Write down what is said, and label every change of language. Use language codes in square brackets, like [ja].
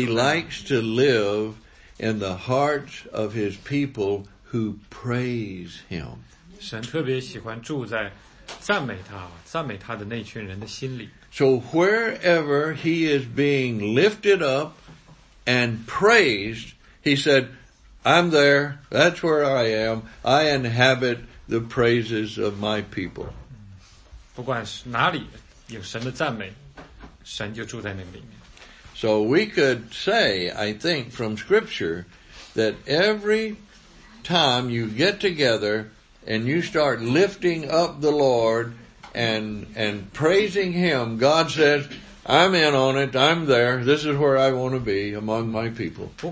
[en] He likes to live in the hearts of his people who praise him. [zh] 神特别喜欢住在赞美他的那群人的心里。 [en] So wherever he is being lifted up and praised, he said, I'm there, that's where I am, I inhabit the praises of my people. [zh] 不管是哪里有神的赞美，神就住在那里面。 [en] So we could say, I think, from Scripture, that every time you get together and you start lifting up the Lord and praising Him, God says, I'm in on it, I'm there, this is where I want to be among my people.